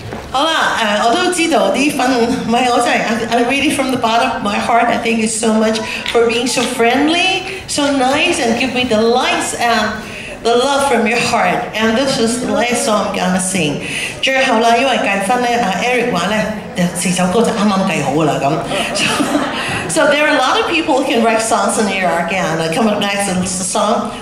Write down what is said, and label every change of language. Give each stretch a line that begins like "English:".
Cantonese: 好啦，我都知道啲粉，唔係我真係
English: ，I really from the bottom of my heart, I thank you so much for being so friendly, so nice, and give me the lights and the love from your heart. And this is the last song I'm gonna sing.
Cantonese: 最後啦，因為計分咧，Eric 話咧，四首歌就啱啱計好啦咁。
English: So there are a lot of people who can write songs in New York, and come up next is the song.